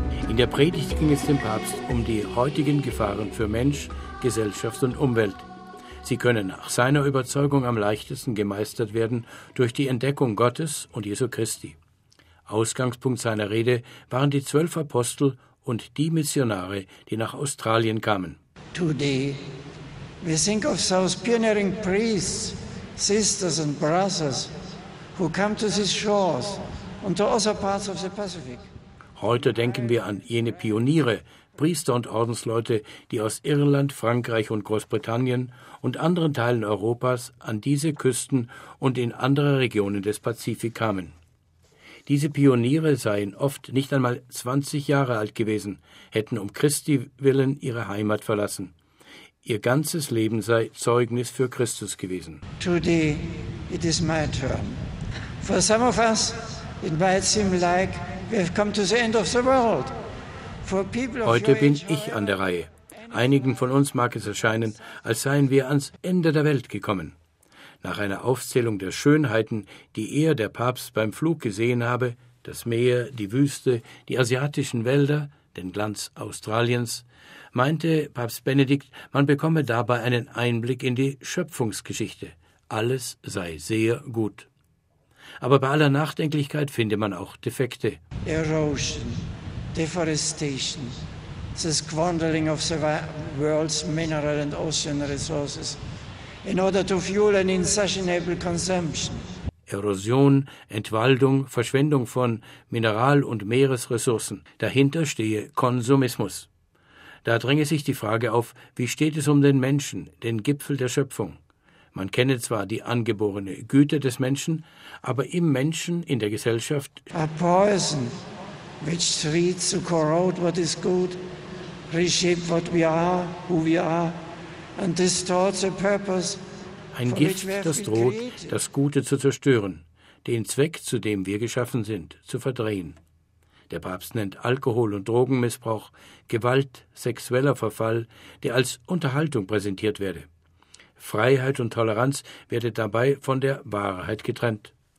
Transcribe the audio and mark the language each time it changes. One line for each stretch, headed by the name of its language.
German: In der Predigt ging es dem Papst um die heutigen Gefahren für Mensch, Gesellschaft und Umwelt. Sie können nach seiner Überzeugung am leichtesten gemeistert werden durch die Entdeckung Gottes und Jesu Christi. Ausgangspunkt seiner Rede waren die 12 Apostel und die Missionare, die nach Australien kamen.
English: Today we think of those pioneering priests, sisters and brothers who come to these shores and to other parts of the Pacific.
German: Heute denken wir an jene Pioniere, Priester und Ordensleute, die aus Irland, Frankreich und Großbritannien und anderen Teilen Europas an diese Küsten und in andere Regionen des Pazifik kamen. Diese Pioniere seien oft nicht einmal 20 Jahre alt gewesen, hätten um Christi willen ihre Heimat verlassen. Ihr ganzes Leben sei Zeugnis für Christus gewesen.
English: Today it is my turn. For some of us it might seem like we've come to the end of the world. For people of
German: Heute bin ich an der Reihe. Einigen von uns mag es erscheinen, als seien wir ans Ende der Welt gekommen. Nach einer Aufzählung der Schönheiten, die er, der Papst, beim Flug gesehen habe, das Meer, die Wüste, die asiatischen Wälder, den Glanz Australiens, meinte Papst Benedikt, man bekomme dabei einen Einblick in die Schöpfungsgeschichte. Alles sei sehr gut. Aber bei aller Nachdenklichkeit finde man auch Defekte.
English: Erosion, Deforestation, the squandering of the world's mineral and ocean resources in order to fuel an insatiable consumption.
German: Erosion, Entwaldung, Verschwendung von Mineral- und Meeresressourcen. Dahinter stehe Konsumismus. Da dränge sich die Frage auf, wie steht es um den Menschen, den Gipfel der Schöpfung? Man kenne zwar die angeborene Güte des Menschen, aber im Menschen, in der Gesellschaft,
English: a poison which threatens to corrode what is good, reshape what we are, who we are, and distorts the purpose.
German: Ein Gift, das droht, das Gute zu zerstören, den Zweck, zu dem wir geschaffen sind, zu verdrehen. Der Papst nennt Alkohol- und Drogenmissbrauch Gewalt, sexueller Verfall, der als Unterhaltung präsentiert werde. Freiheit und Toleranz werde dabei von der Wahrheit getrennt.